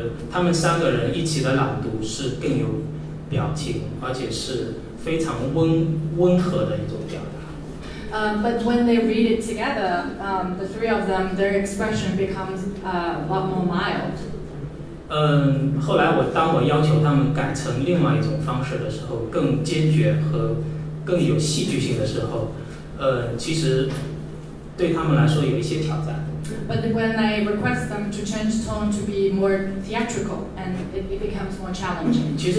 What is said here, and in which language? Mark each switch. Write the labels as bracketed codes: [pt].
[zh] 他们三个人一起的朗读是更有表情，而且是非常温和的一种表达。 [en] But when they read it together, the three of them, their expression becomes a lot more mild. [zh] 后来当我要求他们改成另外一种方式的时候，更坚决和更有戏剧性的时候，其实对他们来说有一些挑战。 [en] But when I request them to change tone to be more theatrical, and it becomes more challenging.